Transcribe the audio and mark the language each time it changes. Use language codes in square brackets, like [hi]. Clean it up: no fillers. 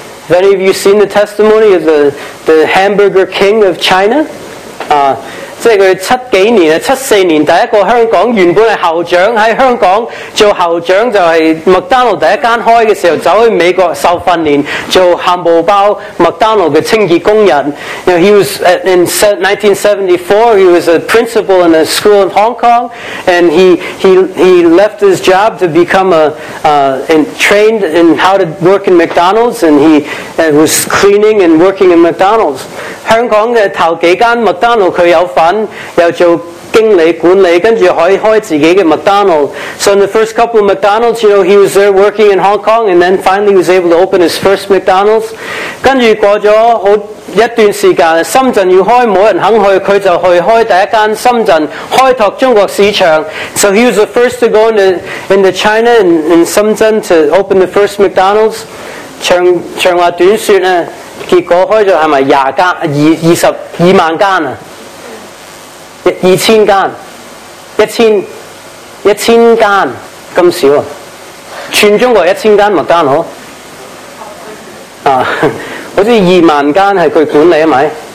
[en] ？Have any of you seen the testimony of the hamburger king of China？ [yue] 啊，即系佢七几年啊，七四年第一个香港原本系校长喺香港做校长，就系麦当劳第一间开嘅时候，走去美国受训练做汉堡包麦当劳嘅清洁工人。 [en] You know, he was in 1974. He was a principal in a school in Hong Kong, and he left his job to become trained in how to work in McDonald's, and he was cleaning and working in McDonald's. [yue] 香港嘅头几间麦当劳佢有份，又做经理管理，跟住可以开自己嘅麦当劳。 [en] So in the first couple of McDonald's, you know, he was there working in Hong Kong, and then finally was able to open his first McDonald's. [yue] 跟住过咗好一段时间，深圳要开，冇人肯去，佢就去开第一间深圳，开拓中国市场。 [en] So he was the first to go into China in Shenzhen to open the first McDonald's. [yue] 长话短说呢，结果开咗系咪二万间啊？二千间，一千间咁少啊？全中國1000間麥當勞啊，好似20000間係佢管理咪？